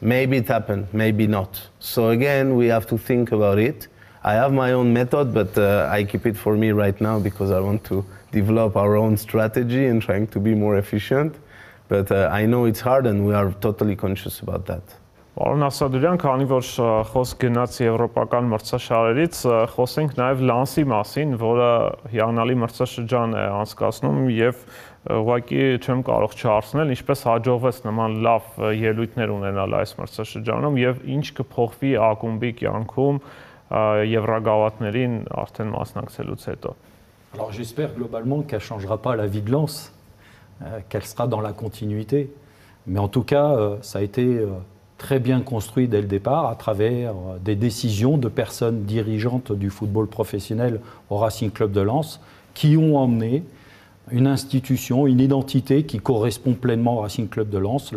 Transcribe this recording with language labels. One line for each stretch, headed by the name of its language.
English: Maybe it happened, maybe not. So again, we have to think about it. I have my own method, but I keep it for me right now, because I want to develop our own strategy and trying to be more efficient. But I know it's hard, and we are totally conscious about that.
Armenian: Պարոն Ասադուրյան, քանի որ խոսք գնաց եվրոպական մրցաշարերից, խոսենք նաև Լանսի մասին, որը հիանալի մրցաշրջան է անցկացնում, և ուղղակի չեմ կարող չհարցնել, ինչպես հաջողվեց նման լավ ելույթներ ունենալ այս մրցաշրջանում, և ինչ կփոխվի ակումբի կյանքում Եվրագավաթներին արդեն մասնակցելուց հետո.
French: Alors j'espère globalement qu'elle changera pas la vie de Lens, qu'elle sera dans la continuité, mais en tout cas ça a été très bien construit dès le départ à travers des décisions de personnes dirigeantes du football professionnel au Racing Club de Lens qui ont emmené une institution, une identité qui correspond pleinement au Racing Club de Lens.